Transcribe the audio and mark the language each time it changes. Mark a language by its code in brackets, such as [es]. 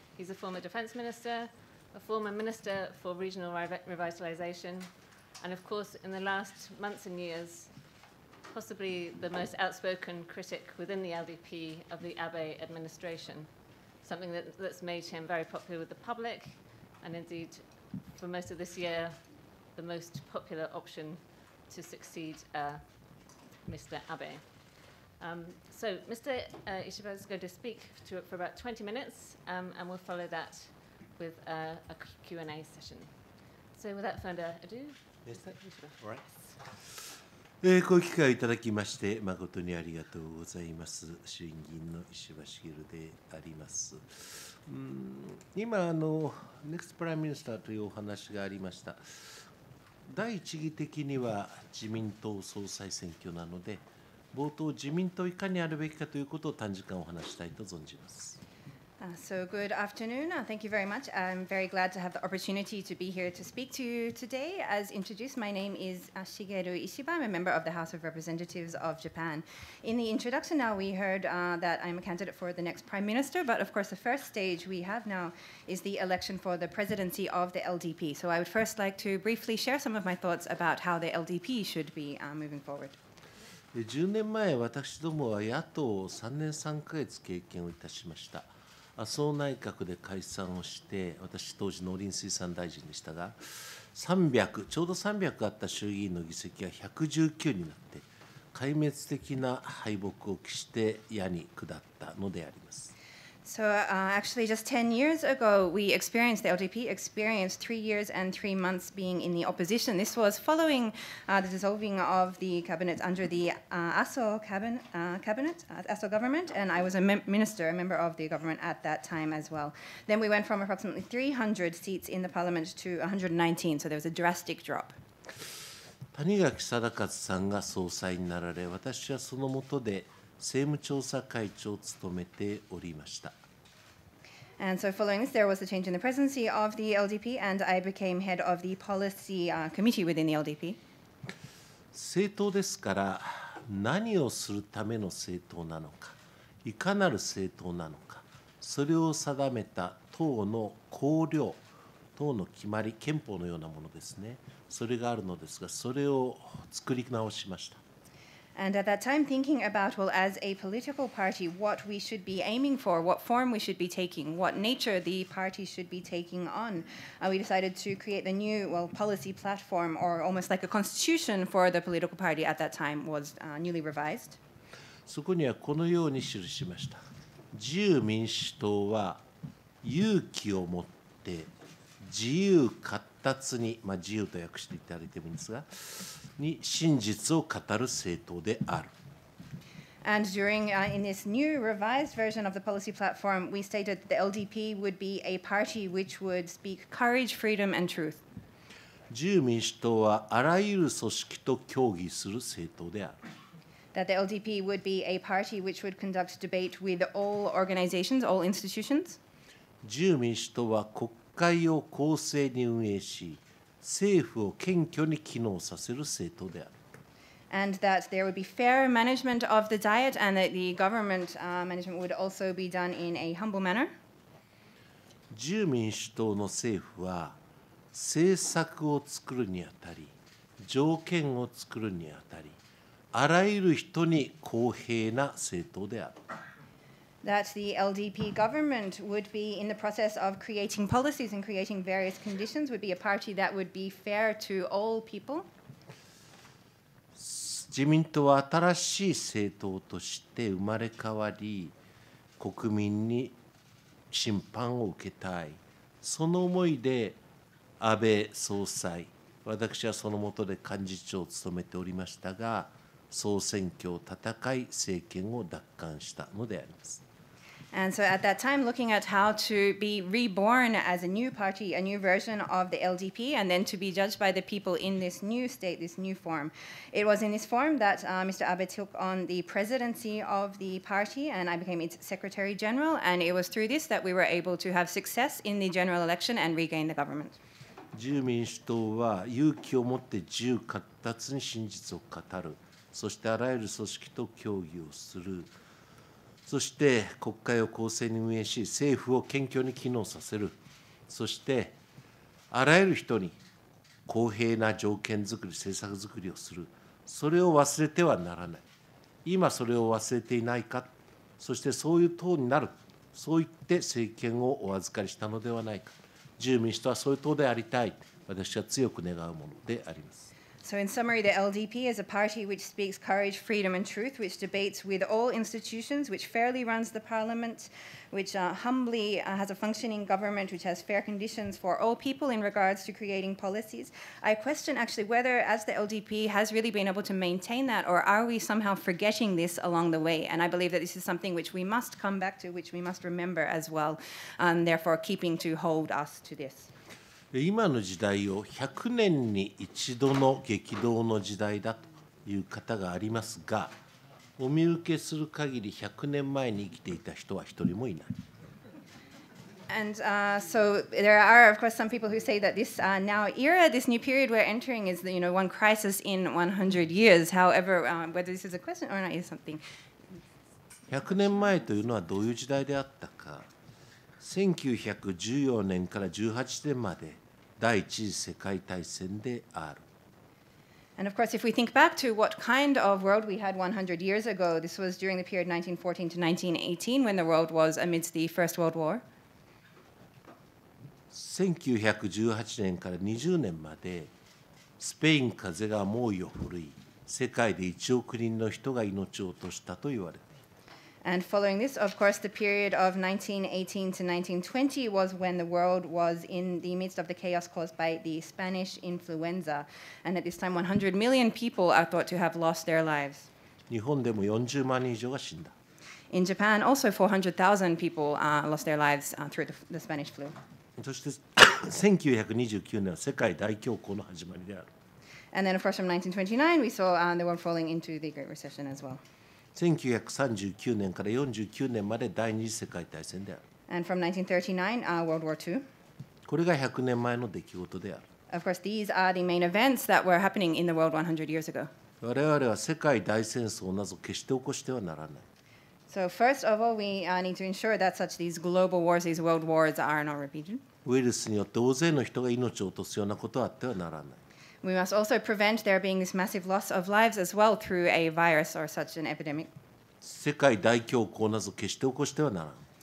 [en] He's a former defense minister, a former minister for regional revitalization, and of course, in the last months and years, possibly the most outspoken critic within the LDP of the Abe administration, something that's made him very popular with the public, and indeed, for most of this year, the most popular option to succeed Mr. Abe. So Mr. Ishiba is going to speak for about 20 minutes, and we'll follow that with a Q&A session. So without further ado, Mr. Ishiba. All right. [ja] ご機会いただきまして誠にありがとうございます。衆院議員の石破茂であります。今ネクストプライムミニスターというお話がありました。第一義的には自民党総裁選挙なので、冒頭自民党いかにあるべきかということを短時間お話したいと存じます。 [en] So good afternoon. Thank you very much. I'm very glad to have the opportunity to be here to speak to you today. As introduced, my name is Shigeru Ishiba. I'm a member of the House of Representatives of Japan. In the introduction now, we heard that I'm a candidate for the next prime minister. But of course, the first stage we have now is the election for the presidency of the LDP. So I would first like to briefly share some of my thoughts about how the LDP should be moving forward. [ja] 10年前、私どもは野党を3年3ヶ月経験をいたしました。麻生内閣で解散をして、私当時農林水産大臣でしたが、ちょうど300あった衆議院の議席が119になって、壊滅的な敗北を喫して矢に下ったのであります。 [en] So, actually just 10 years ago we experienced, the LDP experienced 3 years and 3 months being in the opposition. This was following the dissolving of the cabinet under the Aso government, and I was a member of the government at that time as well. Then we went from approximately 300 seats in the parliament to 119, so there was a drastic drop. [ja] 谷垣貞一さんが総裁になられ、私はその下で政務調査会長を務めておりました。 [en] And so following this, there was a change in the presidency of the LDP, and I became head of the policy committee within the LDP. [ja] 政党ですから、何をするための政党なのか、いかなる政党なのか、それを定めた党の綱領、党の決まり、憲法のようなものですね、それがあるのですが、それを作り直しました。 [en] And at that time, thinking about, well, as a political party, what we should be aiming for, what form we should be taking, what nature the party should be taking on, we decided to create the new, well, policy platform, or almost like a constitution for the political party at that time, was newly revised. [ja] そこにはこのように記しました。自由民主党は勇気を持って自由活発に、まあ、自由と訳していただいてもいいんですが、に真実を語る政党である。 [en] And during, in this new revised version of the policy platform, we stated that the LDP would be a party which would speak courage, freedom, and truth. [ja] 自由民主党はあらゆる組織と協議する政党である。 [en] That the LDP would be a party which would conduct debate with all organizations, all institutions. [ja] 自由民主党は国会を公正に運営し、政府を謙虚に機能させる政党である。 [en] And that there would be fair management of the diet, and that the government management would also be done in a humble manner. [ja] 自由民主党の政府は政策を作るにあたり、条件を作るにあたり、あらゆる人に公平な政党である。 [en] That the LDP government would be in the process of creating policies and creating various conditions, would be a party that would be fair to all people. [ja] 自民党は新しい政党として生まれ変わり、国民に審判を受けたい。その思いで安倍総裁、私はその下で幹事長を務めておりましたが、総選挙を戦い、政権を奪還したのであります。 [en] And so at that time, looking at how to be reborn as a new party, a new version of the LDP, and then to be judged by the people in this new state, this new form. It was in this form that Mr. Abe took on the presidency of the party, and I became its secretary general, and it was through this that we were able to have success in the general election and regain the government. [ja] 自由民主党は勇気を持って自由闊達に真実を語る、そしてあらゆる組織と協議をする、そして国会を公正に運営し、政府を謙虚に機能させる、そしてあらゆる人に公平な条件づくり、政策づくりをする、それを忘れてはならない、今それを忘れていないか、そしてそういう党になる、そう言って政権をお預かりしたのではないか、自由民主党はそういう党でありたい、私は強く願うものであります。 [en] So in summary, the LDP is a party which speaks courage, freedom and truth, which debates with all institutions, which fairly runs the parliament, which humbly has a functioning government, which has fair conditions for all people in regards to creating policies. I question actually whether as the LDP has really been able to maintain that, or are we somehow forgetting this along the way? And I believe that this is something which we must come back to, which we must remember as well, and therefore keeping to hold us to this. [ja] 今の時代を100年に一度の激動の時代だという方がありますが、お見受けする限り100年前に生きていた人は一人もいない。 [en] And、so there are of course some people who say that this、now era, this new period we're entering is you know, one crisis in 100 years. However,、whether this is a question or not is something. [ja] 100年前というのはどういう時代であったか。1914年から18年まで第一次世界大戦である。 [en] And of course if we think back to what kind of world we had 100 years ago, this was during the period 1914 to 1918 when the world was amidst the First World War. [ja] 1918年から20年までスペイン風邪が猛威を振るい、世界で1億人の人が命を落としたと言われている。 [en] And following this, of course, the period of 1918 to 1920 was when the world was in the midst of the chaos caused by the Spanish influenza. And at this time, 100 million people are thought to have lost their lives. [ja] 日本でも40万人以上が死んだ。 [en] In Japan, also 400,000 people lost their lives through the Spanish flu. [ja] そして1929年は世界大恐慌の始まりである。 [en] And then, of course, from 1929, we saw the world falling into the Great Recession as well. [ja] 1939年から49年まで第二次世界大戦である。 [en] And from 1939, World War II. [ja] これが100年前の出来事である。 [en] Of course, these are the main events that were happening in the world 100 years ago. [ja] 我々は世界大戦争など決して起こしてはならない。 [en] So first of all, we need to ensure that such these global wars, these world wars, are not repeated. [ja] ウイルスによって大勢の人が命を落とすようなことはあってはならない。 [en] We must also prevent there being this massive loss of lives as well through a virus or such an epidemic. [ja] 世界大恐慌など決して起こしてはならん。